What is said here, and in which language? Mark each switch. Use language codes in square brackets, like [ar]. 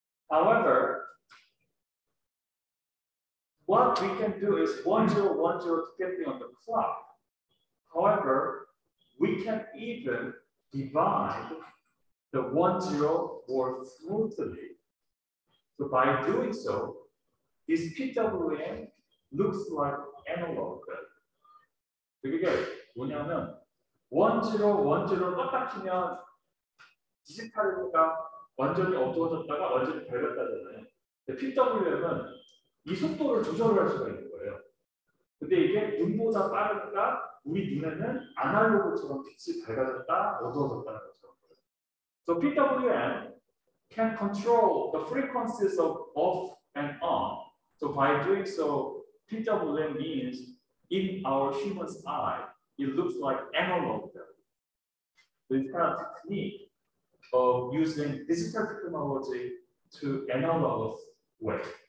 [en] However, what we can do is 1010 to get me on the clock. However, we can even divide the 1-0 more smoothly. So by doing so, this PWM looks like analog. [ko] 그게 뭐냐면 1010 딱딱 치면 디지털이니까 완전히 어두워졌다가 완전히 밝았다잖아요. 근데 PWM은 이 속도를 조절을 할 수가 있는 거예요. 근데 이게 눈보다 빠르니까 우리 눈에는 아날로그처럼 빛이 밝아졌다, 어두워졌다는 것처럼 보여요. [en] So PWM can control the frequencies of off and on. So by doing so, PWM means in our human's eye, it looks like analog. So it's kind of technique of using digital technology to analogous way.